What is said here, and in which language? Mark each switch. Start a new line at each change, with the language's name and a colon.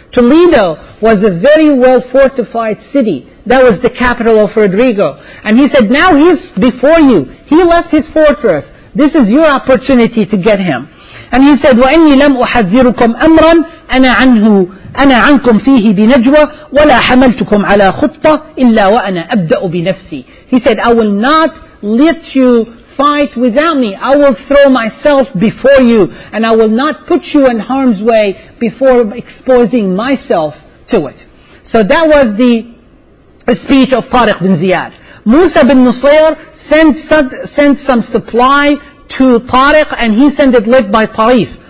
English: Toledo was a very well-fortified city. That was the capital of Rodrigo. And he said, now he's before you. He left his fortress. This is your opportunity to get him. And he said,
Arabic: وَإِنِّي لَمْ أُحَذِّرُكُمْ أَمْرًا أَنَا عَنْكُمْ فِيهِ بِنَجْوَى وَلَا حَمَلْتُكُمْ عَلَى خُطَّةٍ إِلَّا وَأَنَا أَبْدَأُ بِنَفْسِي
English: He said, I will not let you fight without me. I will throw myself before you, and I will not put you in harm's way before exposing myself to it. So that was the speech of Tariq bin Ziyad. Musa bin Nusayr sent some supply to Tariq, and he sent it led by Tarif.